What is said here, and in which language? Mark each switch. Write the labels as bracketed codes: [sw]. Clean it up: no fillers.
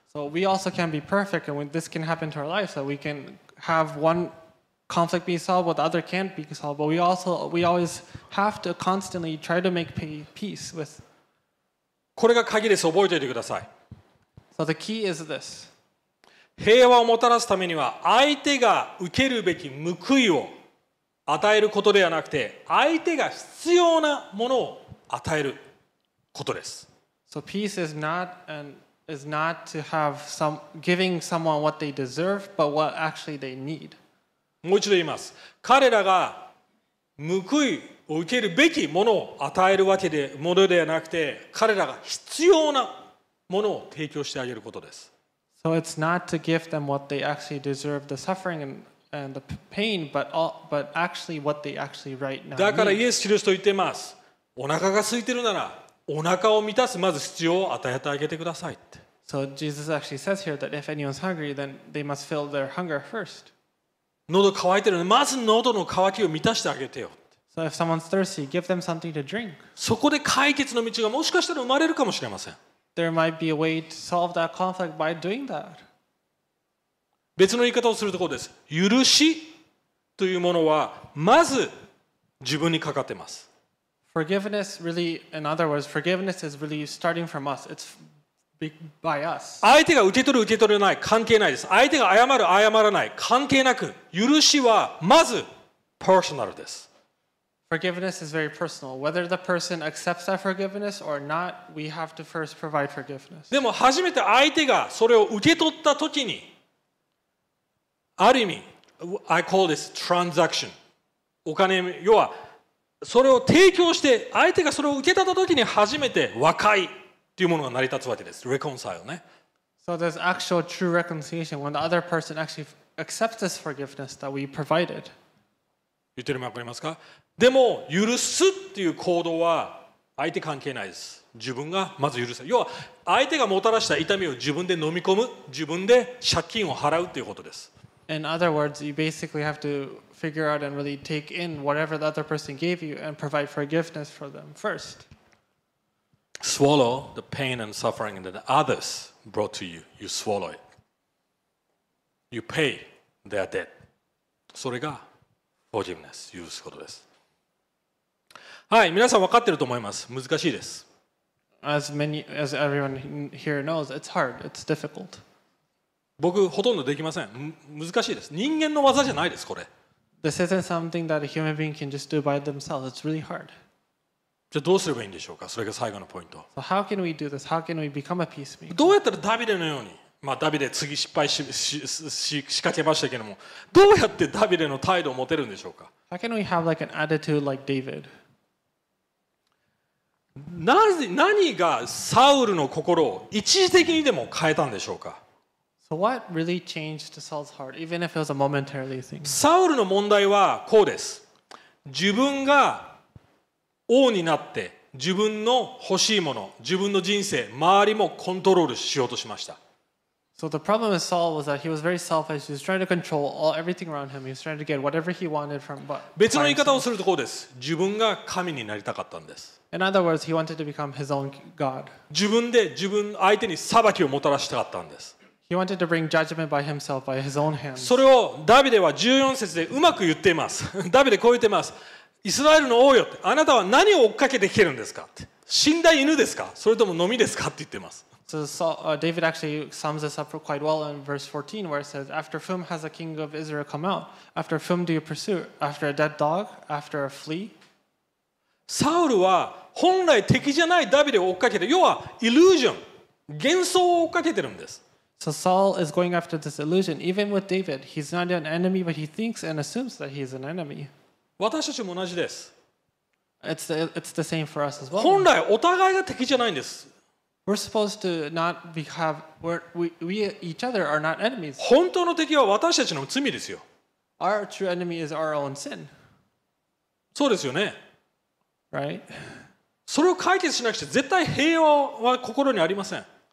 [en] So we also can be perfect, and this can happen to our life, so we can have one conflict be solved, but the other can't be solved. But we always have to constantly try to make peace with. [ja] これが鍵です。覚えておいてください。 [en] So the key is this. [ja] 平和をもたらすためには相手が受けるべき報いを与えることではなくて相手が必要なものを与えることです。 [en] So peace is not and is not to have some giving someone what they deserve, but what actually they need. [ja] もう一度言います。彼らが報いを受けるべきものを与えるわけでものではなくて彼らが必要なものを提供してあげることです。 [en] So it's not to give them what they actually deserve, the suffering and the pain, but actually what they actually right now need. [ja] だからイエス・キリストと言っています。お腹が空いてるなら、お腹を満たすまず必要を与えてあげてくださいって。 [en] So Jesus actually says here that if anyone's hungry, then they must fill their hunger first. [ja] 喉渇いてるのに、まず喉の渇きを満たしてあげてよ。 [en] So if someone's thirsty, give them something to drink. [ja] そこで解決の道がもしかしたら生まれるかもしれません。 [en] There might be a way to solve that conflict by doing that. [ja] 別の言い方をするところです。許しというものはまず自分にかかってます。 [en] Forgiveness really, in other words, forgiveness is really starting from us. It's by us. [ja] 相手が受け取る受け取れない関係ないです。相手が謝る謝らない関係なく、許しはまず personal です。 [en] Forgiveness is very personal. Whether the person accepts that forgiveness or not, we have to first provide forgiveness. [ja] でも初めて相手がそれを受け取ったときに、ある意味、 [en] I call this transaction. [ja] お金、要は、それを提供して、相手がそれを受け取ったときに初めて和解っていうものが成り立つわけです。Reconcile ね。 [en] So there's actual true reconciliation when the other person actually accepts this forgiveness that we provided. [ja] 言ってるのわかりますか？でも許すっていう行動は相手関係ないです。自分がまず許す。要は相手がもたらした痛みを自分で飲み込む、自分で借金を払うということです。 [en] In other words, you basically have to figure out and really take in whatever the other person gave you and provide forgiveness for them first. Swallow the pain and suffering that others brought to you. You swallow it. You pay their debt. [ja] それが forgiveness、許すことです。はい、皆さん分かっていると思います。難しいです。 [en] As everyone here knows, it's hard. It's difficult. [ja] 僕ほとんどできません。難しいです。人間の技じゃないです。これ。 [en] This isn't something that a human being can just do by themselves. It's really hard. [ja] じゃあどうすればいいんでしょうか。それが最後のポイント。 [en] So how can we do this? How can we become a peacemaker? [ja] どうやったらダビデのように、まあダビデ次失敗し仕掛けましたけども、どうやってダビデの態度を持てるんでしょうか。 [en] How can we have like an attitude like David? [ja] 何がサウルの心を一時的にでも変えたんでしょうか。 [en] So what really changed Saul's heart, even if it was a momentary thing? [ja] サウルの問題はこうです。自分が王になって、自分の欲しいもの、自分の人生、周りもコントロールしようとしました。 [en] So the problem with Saul was that he was very selfish. He was trying to control all everything around him. He was trying to get whatever he wanted from. But [ja] 別の言い方をするとこうです。自分が神になりたかったんです。 [en] In other words, he wanted to become his own god. [ja] 自分で自分相手に裁きをもたらしたかったんです。 [en] He wanted to bring judgment by himself, by his own hands. [ja] それをダビデは14節でうまく言っています。ダビデこう言っています。イスラエルの王よ、あなたは何を追っかけてきてるんですか。死んだ犬ですか。それともノミですかって言ってます。 [en] So David actually sums this up quite well in verse 14, where it says, "After whom has the king of Israel come out? After whom do you pursue? After a dead dog? After a flea?" [ja] サウルは本来敵じゃないダビデを追っかけて、要はイリュージョン、幻想を追っかけてるんです。 [en] So Saul is going after this illusion. Even with David, he's not an enemy, but he thinks and assumes that he is an enemy. [ja] 私たちも同じです。 [en] It's the same for us as well. [ja] 本来お互いが敵じゃないんです。 [en] We're supposed to not be have we each other are not enemies. [ja] 本当の敵は私たちの罪ですよ。 [en] Our true enemy is our own sin. [ja] そうですよね。 [en] Right? [ja] それを解決しなくて絶対平和は心にありません。